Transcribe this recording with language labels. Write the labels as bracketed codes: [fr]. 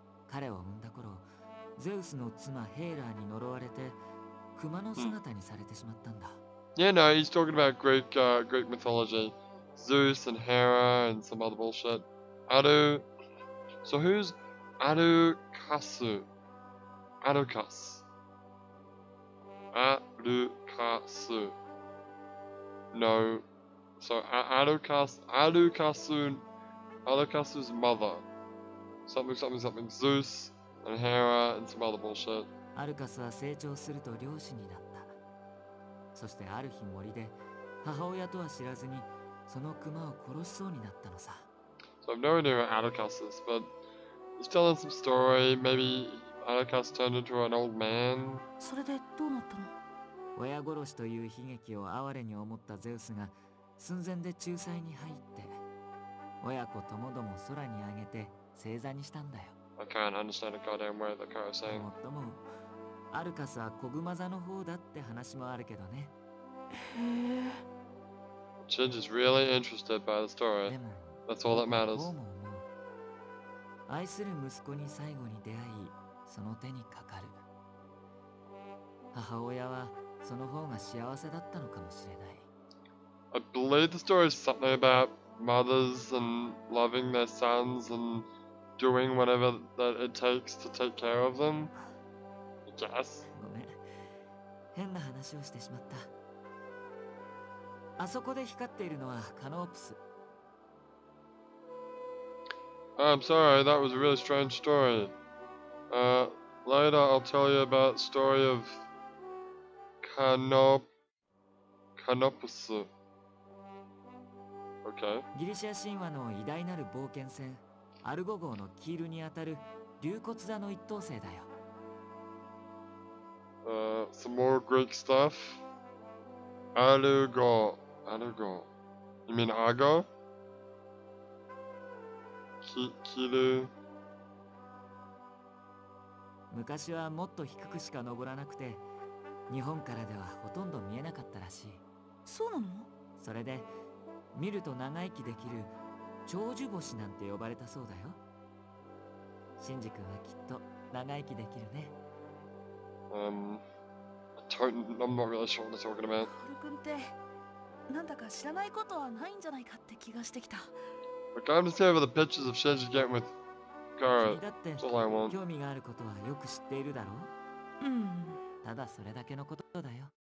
[ja] 彼を産んだ頃、ゼウスの妻ヘーラーに呪われて熊の姿にされてしまったんだ。 [en] Yeah, no, he's talking about Greek, Greek mythology. Zeus and Hera and some other bullshit. Aru. So who's Arukasu? Arukas. Arukasu. No. So Arukas, Arukasu, Arukasu's mother. Something, something, something. Zeus and Hera and some other bullshit. [ja] Arukasu は成長すると漁師になった。そしてある日森で母親とは知らずにそのクマを殺しそうになったのさ。 [en] So I've no idea what Arukas is, but he's telling some story. Maybe Arukas turned into an old man. [ja] それでどうなったの？親殺しという悲劇を哀れに思ったゼウスが寸前で仲裁に入って親子ともども空にあげて星座にしたんだよ。 [en] I can't understand a goddamn word the car is saying. [ja] もっともアルカスは子熊座の方だって話もあるけどね。 [en] Shinji is really interested by the story. That's all that matters. [ja] でも、もう愛する息子に最後に出会い、その手にかかる。母親はその方が幸せだったのかもしれない。 [en] I believe the story is something about mothers and loving their sons and doing whatever that it takes to take care of them. I guess. [ja] ごめん。変な話をしてしまった。あそこで光っているのはカノープス。 [en] I'm sorry, that was a really strange story. Later I'll tell you about story of Canopus. Okay. [ja] ギリシャ神話の偉大なる冒険船アルゴ号のキールにあたる龍骨座の一等星だよ。 [en] Some more Greek stuff. [ja] アルゴ。アルゴ。 [en] You mean [ja] アゴ？キル。昔はもっと低くしか登らなくて、日本からではほとんど見えなかったらしい。そうなの？それで、見ると長生きできる長寿星なんて呼ばれたそうだよ。シンジ君はきっと長生きできるね。 [en] I'm not really sure what they're talking about. [ja] ハル君って、なんだか知らないことはないんじゃないかって気がしてきた。 [en] Look, I'm just here for the pictures of Shinji getting with Kara. That's all I want. [ja] 興味があることはよく知っているだろう。うん。ただそれだけのことだよ。